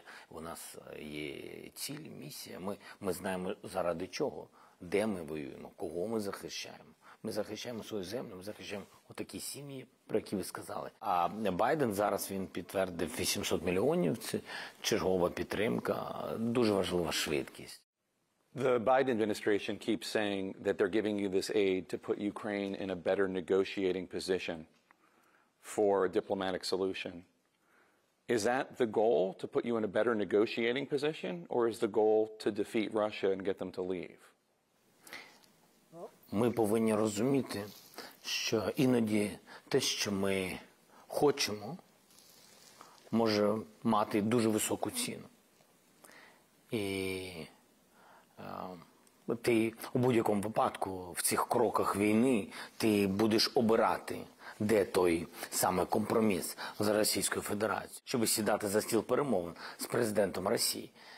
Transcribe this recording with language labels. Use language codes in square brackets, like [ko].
[uk] У нас є ціль, місія. Ми знаємо, заради чого, де ми воюємо, кого ми захищаємо. Ми захищаємо свою землю, ми захищаємо отакі сім'ї, про які ви сказали. А Байден зараз, він підтвердив 800 мільйонів, це чергова підтримка, дуже важлива швидкість. [en] The Biden administration keeps saying that they're giving you this aid to put Ukraine in a better negotiating position for a diplomatic solution. Is that the goal, to put you in a better negotiating position, or is the goal to defeat Russia and get them to leave? [uk] ми повинні розуміти, що іноді те, що ми хочемо, може мати дуже високу ціну. І ти у будь-якому випадку в цих кроках війни ти будеш обирати, де той саме компроміс з Російською Федерацією, щоб сідати за стіл перемовин з президентом Росії.